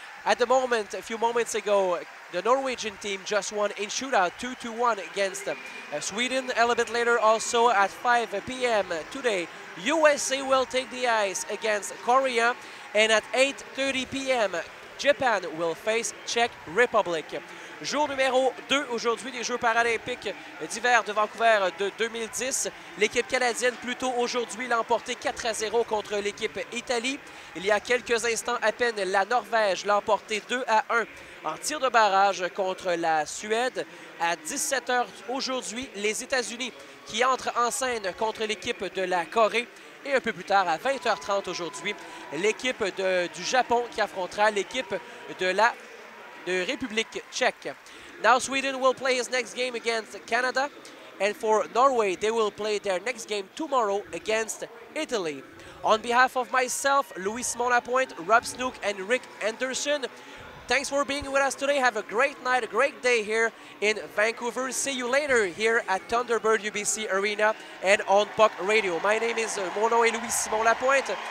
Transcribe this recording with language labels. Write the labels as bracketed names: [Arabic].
[English] At the moment, a few moments ago, the Norwegian team just won in shootout 2-1 against Sweden. A little bit later, also at 5 p.m. today, USA will take the ice against Korea, and at 8:30 p.m., Japan will face Czech Republic. [French] Jour numéro 2 aujourd'hui des Jeux paralympiques d'hiver de Vancouver de 2010. L'équipe canadienne, plus tôt aujourd'hui, l'a emporté 4-0 contre l'équipe Italie. Il y a quelques instants à peine, la Norvège l'a emporté 2-1 en tir de barrage contre la Suède. À 17h aujourd'hui, les États-Unis qui entrent en scène contre l'équipe de la Corée. Et un peu plus tard, à 20h30 aujourd'hui, l'équipe du Japon qui affrontera l'équipe de la République tchèque. [English] Now Sweden will play his next game against Canada. And for Norway, they will play their next game tomorrow against Italy. On behalf of myself, Louis-Simon Lapointe, Rob Snook and Rick Anderson, thanks for being with us today. Have a great night, a great day here in Vancouver. See you later here at Thunderbird UBC Arena and on Puck Radio. My name is [French] mon nom est [English] Louis-Simon Lapointe.